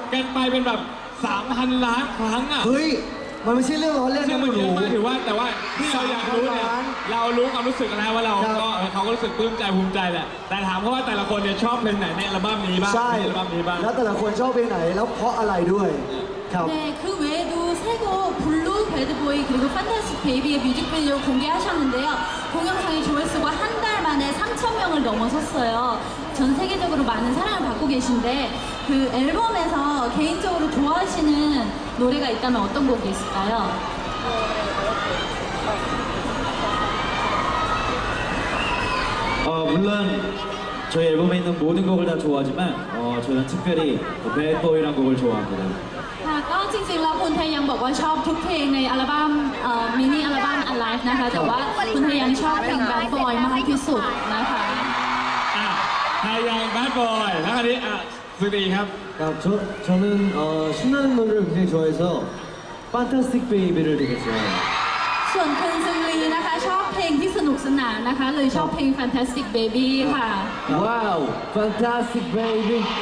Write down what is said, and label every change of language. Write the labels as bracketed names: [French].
[Thai] กันไปเป็นแบบ 3,000 ล้านครั้งอ่ะ เฮ้ยมันไม่ใช่เรื่องล้อเล่นนะ มันเยอะมากถือว่าแต่ว่าที่เราอยากรู้เนี่ยเรารู้ความรู้สึกนะว่าเราก็เขาก็รู้สึกปลื้มใจภูมิใจแหละแต่ถามเขาว่าแต่ละคนเนี่ยชอบเพลงไหนในอัลบั้มนี้บ้าง ใช่ อัลบั้มนี้บ้าง แล้วแต่ละคนชอบเพลงไหนแล้วเพราะอะไรด้วยครับ [Korean] Boy, 그리고 Fantastic Baby의 뮤직비디오 공개하셨는데요 동영상의 조회수가 한 달 만에 3,000명을 넘어섰어요 전 세계적으로 많은 사랑을 받고 계신데 그 앨범에서 개인적으로 좋아하시는 노래가 있다면 어떤 곡이 있을까요 물론 저희 앨범에 있는 모든 곡을 다 좋아하지만 저는 특별히 Bad Boy 라는 곡을 좋아합니다 [Thai] ก็จริงๆแล้วคุณไทยังบอกว่าชอบทุกเพลงในอัลบั้มมินิอัลบั้ม Alive นะคะแต่ว่าคุณไทยังชอบเพลง Bad Boy มากที่สุดนะคะ ไทยัง Bad Boy แล้วอันนี้สวัสดีครับ ครับ [Korean] 저는신나는노래를굉장히좋아해서 Fantastic Baby 를 되게 좋아해요 [Thai] ส่วนคุณซึงลีนะคะชอบเพลงที่สนุกสนานนะคะเลยชอบเพลง Fantastic Baby ค่ะ ว้าว Fantastic Baby